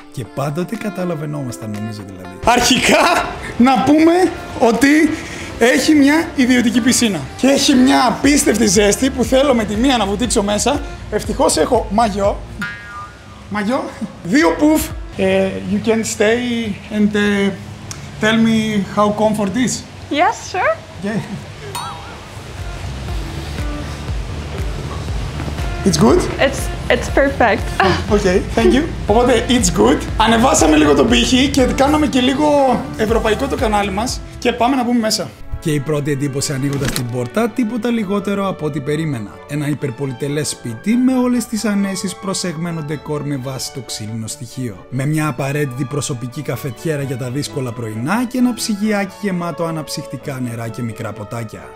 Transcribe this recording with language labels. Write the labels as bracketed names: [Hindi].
[Greek] Και πάντοτε καταλαβαινόμασταν, νομίζω δηλαδή. Αρχικά να πούμε ότι έχει μια ιδιωτική πισίνα και έχει μια απίστευτη ζέστη που θέλω με τη μία να βουτήξω μέσα. Ευτυχώς έχω μαγιό, δύο πουφ. [English] You can stay and tell me how comfort is. Yes, sure. Okay. It's good? It's perfect. Okay, thank you. [Greek] Οπότε, [English] it's good. [Greek] Ανεβάσαμε λίγο τον πύχη και κάναμε και λίγο ευρωπαϊκό το κανάλι μας και πάμε να μπούμε μέσα. Και η πρώτη εντύπωση ανοίγοντας την πόρτα, τίποτα λιγότερο από ό,τι περίμενα. Ένα υπερπολιτελές σπίτι με όλες τις ανέσεις προσεγμένο ντεκόρ με βάση το ξύλινο στοιχείο. Με μια απαραίτητη προσωπική καφετιέρα για τα δύσκολα πρωινά και ένα ψυγιάκι γεμάτο αναψυχτικά νερά και μικρά ποτάκια.